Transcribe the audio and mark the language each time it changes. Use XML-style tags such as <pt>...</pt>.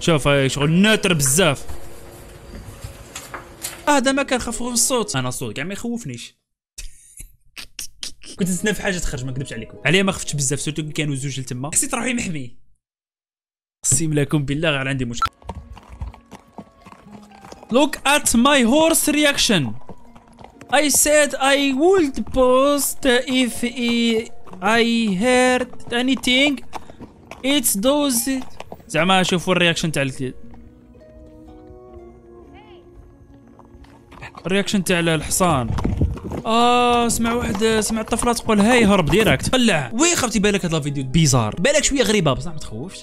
<ar>شوف شغل ناتر بزاف. هذا ما كان خافوا من الصوت، انا الصوت كاع ما يخوفنيش. كنت نتسنى في حاجه تخرج ما نكذبش عليكم، عليها ما خفتش بزاف سورتو كانوا زوج لتما، حسيت روحي محمي. اقسم لكم بالله غير عندي مشكل.</ar> <en>Look at my horse reaction. I said I would post if I heard anything. It's those.</en> <ar>زعما شوفوا الرياكشن تاع الرياكشن تاع الحصان. سمع واحد، سمع الطفله تقول هاي هرب ديريكت طلع. وي خفتي بالك هاد الفيديو بيزار، بالك شويه غريبه بصح ما تخوفش.</ar>